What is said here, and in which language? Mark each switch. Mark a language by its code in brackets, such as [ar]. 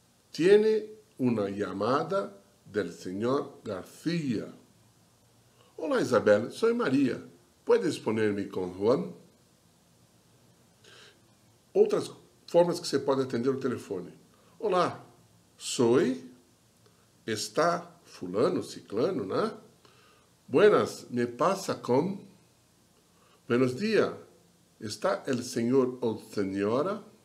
[es] Tiene una llamada del señor García. Olá, Isabel, soy Maria. Puedes ponerme con Juan? [pt] Outras formas que você pode atender o telefone. Olá, [es] soy, [pt] está fulano, ciclano, né? [es] Buenas, me pasa con? Buenos días, está el señor o señora?